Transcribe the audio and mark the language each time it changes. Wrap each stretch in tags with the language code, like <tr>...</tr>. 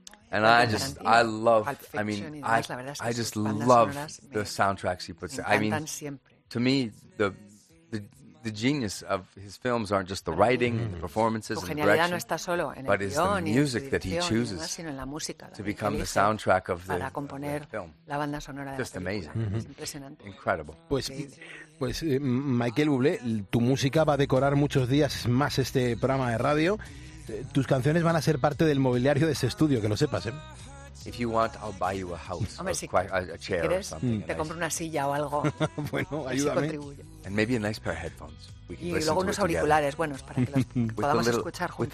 <en>And I just, I love, I mean, I just love the soundtracks he puts in. I mean, to me, the genius of his films aren't just the writing, the performances, and the direction, but it's the music that he chooses to become the soundtrack of the film. Just amazing. Incredible.</en> <es>Pues Michael Bublé, tu música va a decorar muchos días más este programa de radio. Tus canciones van a ser parte del mobiliario de este estudio, que lo sepas, ¿eh?</es> <en>If you want, I'll buy you a house.</en> <es>Hombre, si quieres, te compro una silla o algo. Bueno, ayúdame.</es> <en>And maybe a nice pair of headphones.</en> <es>Y luego unos auriculares buenos para que los podamos escuchar juntos.</es>